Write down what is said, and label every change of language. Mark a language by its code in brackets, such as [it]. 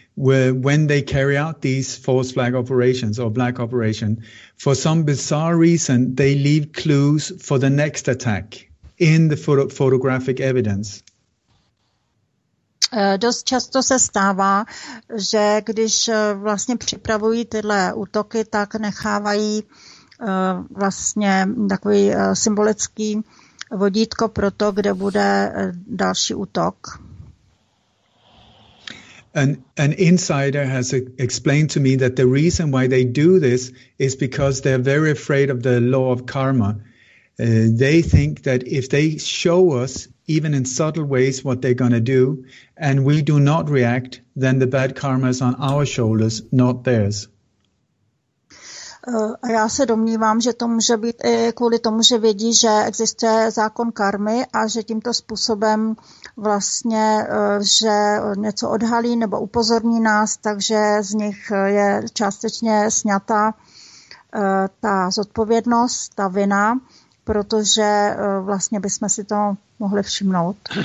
[en] when they carry out these false flag operations or black operation, for some bizarre reason, they leave clues for the next attack in the photographic evidence. [cs] Dost často se stává, že když vlastně připravují tyhle útoky, tak nechávají vlastně takový symbolický vodítko pro to, kde bude další útok. [en] An insider has explained to me that the reason why they do this is because they're very afraid of the law of karma. they think that if they show us, even in subtle ways, what they're going to do, and we do not react, then the bad karma is on our shoulders, not theirs. [cs] A já se domnívám, že to může být i kvůli tomu, že vědí, že existuje zákon karmy a že tímto způsobem vlastně, že něco odhalí nebo upozorní nás, takže z nich je částečně sňata ta zodpovědnost, ta vina, protože vlastně bychom si to mohli všimnout.